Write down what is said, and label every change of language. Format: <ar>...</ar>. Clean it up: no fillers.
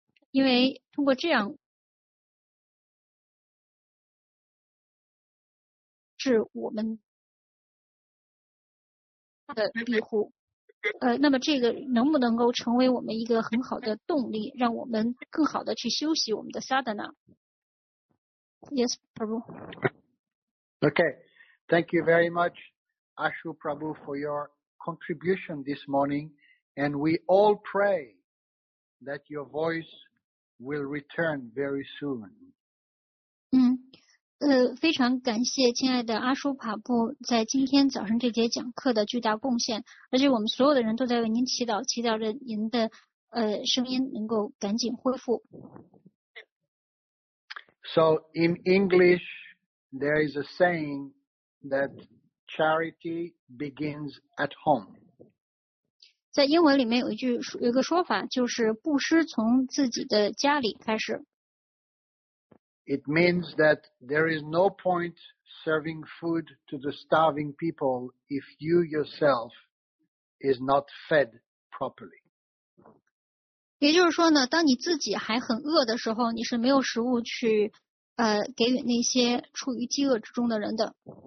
<zh>因为通过这样是我们的庇护。那么这个能不能够成为我们一个很好的动力，让我们更好的去休息我们的 sadhana?</zh> <en>Yes, Prabhu. Okay, thank you very much, Ashu Prabhu, for your contribution this morning, and we all pray that your voice will return very soon.</en> <zh>非常感谢亲爱的阿叔帕布在今天早上这节讲课的巨大贡献，而且我们所有的人都在为您祈祷，祈祷着您的声音能够赶紧恢复。</zh> <en>So in English, there is a saying that charity begins at home.</en> <zh>在英文里面有一个说法，就是布施从自己的家里开始。</zh> <en>It means that there is no point serving food to the starving people if you yourself is not fed properly.</en> <zh>也就是说呢，当你自己还很饿的时候，你是没有食物去给予那些处于饥饿之中的人的。</zh>